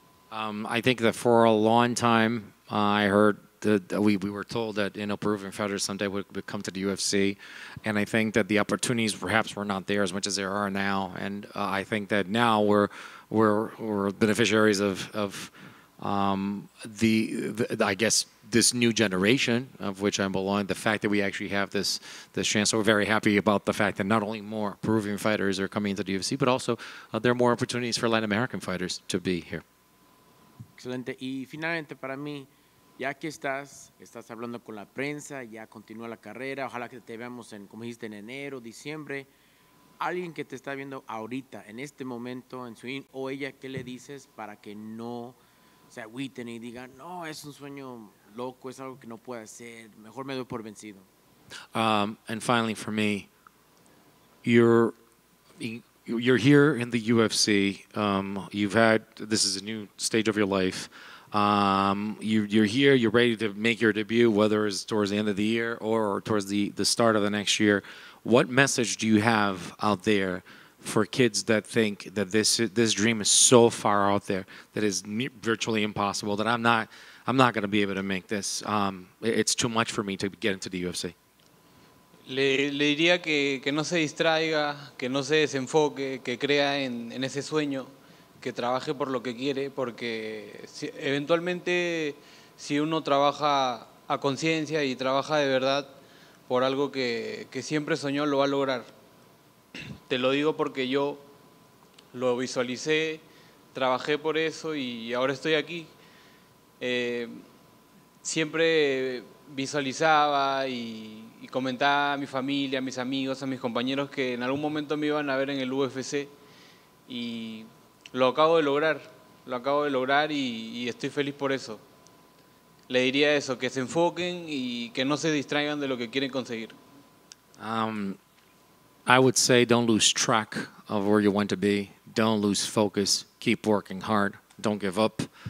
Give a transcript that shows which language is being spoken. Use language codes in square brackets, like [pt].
[en] I think that for a long time, I heard that we were told that, you know, Peruvian fighters someday would come to the UFC, and I think that the opportunities perhaps were not there as much as there are now, and I think that now we're beneficiaries of the I guess this new generation of which I belong, the fact that we actually have this chance. So we're very happy about the fact that not only more Peruvian fighters are coming into the UFC, but also there are more opportunities for Latin American fighters to be here. [es] Excelente. Y finalmente para mí, ya que estás hablando con la prensa, ya continúa la carrera, ojalá que te veamos en, como dijiste, en enero, diciembre. Alguien que te está viendo ahorita, en este momento, en su o ella, ¿qué le dices para que no se agüiten y digan, no, es un sueño loco, es algo que no puede hacer, mejor me doy por vencido? [en] And finally for me, you're here in the UFC, you've had, this is a new stage of your life, you're here, you're ready to make your debut, whether it's towards the end of the year or towards the start of the next year. What message do you have out there for kids that think that this dream is so far out there that is virtually impossible, that I'm not going to be able to make this? It's too much for me to get into the UFC. [es] Le diría que no se distraiga, que no se desenfoque, que crea en ese sueño, que trabaje por lo que quiere, porque si, eventualmente, si uno trabaja a conciencia y trabaja de verdad por algo que siempre soñó, lo va a lograr. Te lo digo porque yo lo visualicé, trabajé por eso y ahora estoy aquí. Siempre visualizaba y comentaba a mi familia, a mis amigos, a mis compañeros que en algún momento me iban a ver en el UFC, y lo acabo de lograr, lo acabo de lograr, y estoy feliz por eso. Le diría eso, que se enfoquen y que no se distraigan de lo que quieren conseguir. [en] I would say don't lose track of where you want to be. Don't lose focus. Keep working hard. Don't give up.